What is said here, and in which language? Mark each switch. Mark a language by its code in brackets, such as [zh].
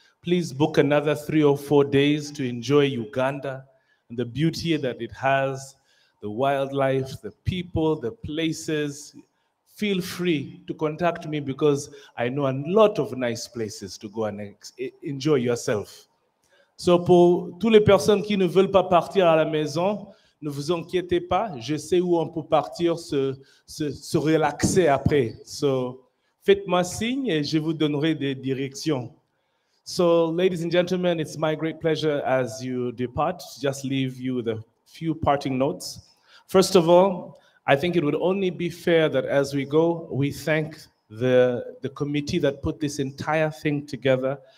[en] Please book another 3 or 4 days to enjoy Uganda and the beauty that it has, the wildlife, the people, the places. Feel free to contact me because I know a lot of nice places to go and enjoy yourself. [fr] So pour toutes les personnes qui ne veulent pas partir à la maison, ne vous inquiétez pas, je sais où on peut partir, se relaxer après. So faites-moi signe et je vous donnerai des directions. [en] So ladies and gentlemen, it's my great pleasure as you depart, just leave you with a few parting notes. First of all, I think it would only be fair that as we go, we thank the committee that put this entire thing together.